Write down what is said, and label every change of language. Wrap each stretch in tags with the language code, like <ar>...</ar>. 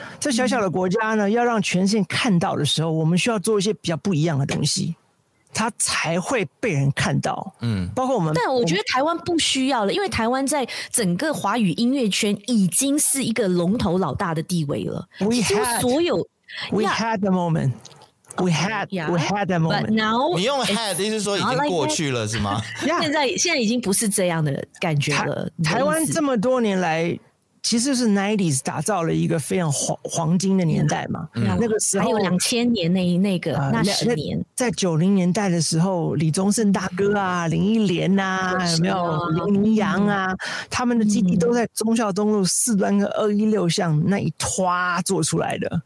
<zh>这小小的国家呢，要让全世界看到的时候，我们需要做一些比较不一样的东西，它才会被人看到。嗯，包括我们，但我觉得台湾不需要了，因为台湾在整个华语音乐圈已经是一个龙头老大的地位了。</zh> <en>We had</en> <zh>所有</zh> <en>，We had the moment，We had we had the moment。 Okay, yeah,</en> <zh>now 你用 had 的意思说已经过去了是吗？</zh> <en>Yeah,</en> <zh>现在已经不是这样的感觉了。台湾这么多年来。其实是 90s 打造了一个非常黄金的年代嘛、嗯、那个时候还有2000年那个那十年在90年代的时候李宗盛大哥啊林忆莲啊有没有林明阳啊、嗯、他们的基地都在忠孝东路四段跟216巷那一拖做出来的</zh>